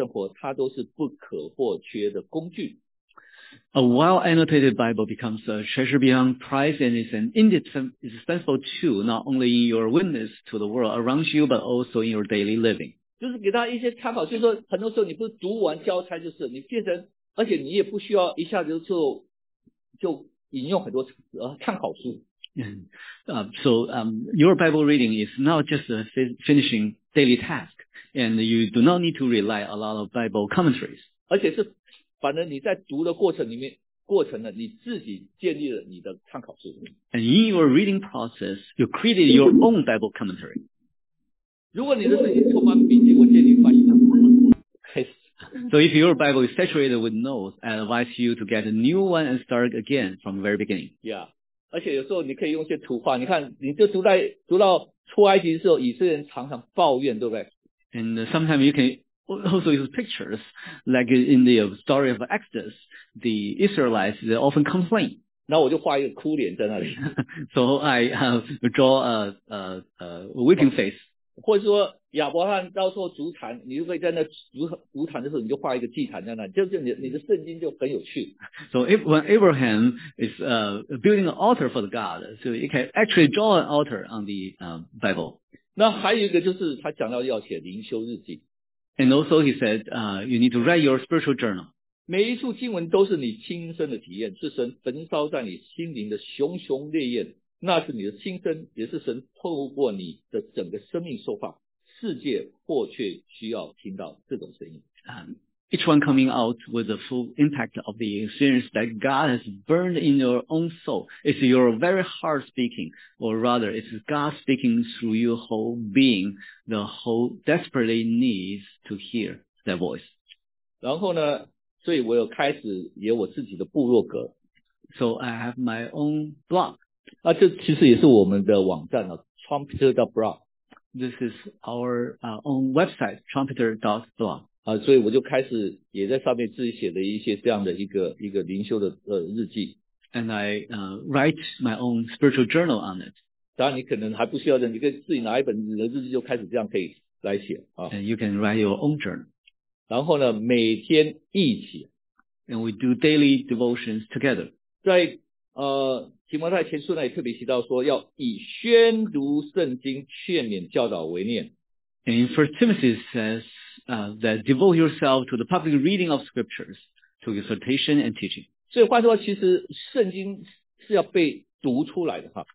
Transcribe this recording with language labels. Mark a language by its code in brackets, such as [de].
[zh] 一本写满个人注解的圣经视为无价之宝，但你向周围的人做见证或日常生活，它都是不可或缺的工具。 [en] A well-annotated Bible becomes a treasure beyond price and is an indispensable tool not only in your witness to the world around you but also in your daily living. [zh] 就是给他一些参考，就是说很多时候你不是读完交差，就是你变成，而且你也不需要一下子就 引用很多，看好书。 [en] Your Bible reading is not just a finishing daily task, and you do not need to rely a lot of Bible commentaries. [zh] 而且是，反正你在读的过程里面，你自己建立了你的参考书。 [en] And in your reading process, you created your own Bible commentary. [zh] 如果你的圣经充满笔记，我建议你翻一下。 [en] So if your Bible is saturated with notes, I advise you to get a new one and start again from the very beginning. Yeah. [zh] 而且有时候你可以用一些图画，你看你就读到出埃及的时候，以色列人常常抱怨，对不对？ [en] And sometimes you can also use pictures, like in the story of Exodus, the Israelites, they often complain. [zh] 然后我就画一个哭脸在那里。 [en] So I draw a weeping face. [zh] 或者说亚伯翰到时候筑坛，你就会在那筑坛的时候，你就画一个祭坛在那里，就你的圣经就很有趣。 [en] So if, when Abraham is building an altar for the God, so he can actually draw an altar on the Bible. [zh] 那还有一个就是他讲到要写灵修日记。 [en] And also he said, you need to write your spiritual journal. [zh] 每一处经文都是你亲身的体验，是神焚烧在你心灵的熊熊烈焰，那是你的亲身，也是神透过你的整个生命说话。世界迫切需要听到这种声音。 [en] Each one coming out with the full impact of the experience that God has burned in your own soul. It's your very heart speaking, or rather, it's God speaking through your whole being. The whole desperately needs to hear that voice. [zh] 然后呢，所以我有开始有我自己的部落格。 [en] So I have my own blog. [zh] 啊，这其实也是我们的网站啊 ,trumpeter.blog。 [en] This is our own website, trumpeter.blog. [zh] 所以我就开始也在上面自己写了一些这样的一个灵修的日记。 [en] And I write my own spiritual journal on it. [zh] 当然你可能还不需要的，你可以自己拿一本你的日记就开始这样可以来写。 [en] And you can write your own journal. [zh] 然后呢每天一起。 [en] And we do daily devotions together. [zh] 在提摩太前书呢也特别提到说要以宣读圣经劝勉教导为念。 [en] And First Timothy says, that devote yourself to the public reading of scriptures, to exhortation and teaching. [zh] 所以换句话说其实圣经是要被读出来的。